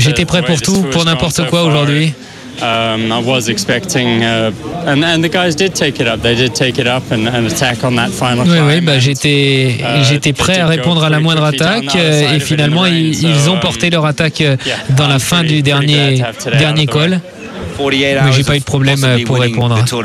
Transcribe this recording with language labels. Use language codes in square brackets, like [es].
[fr] J'étais prêt pour tout, pour n'importe quoi aujourd'hui. [en] I was expecting, and the guys did take it up. They did take it up and attack on that final. [fr] Oui, oui, bah j'étais prêt à répondre à la moindre attaque, et finalement ils ont porté leur attaque dans la fin du dernier col. Mais j'ai pas eu de problème pour répondre.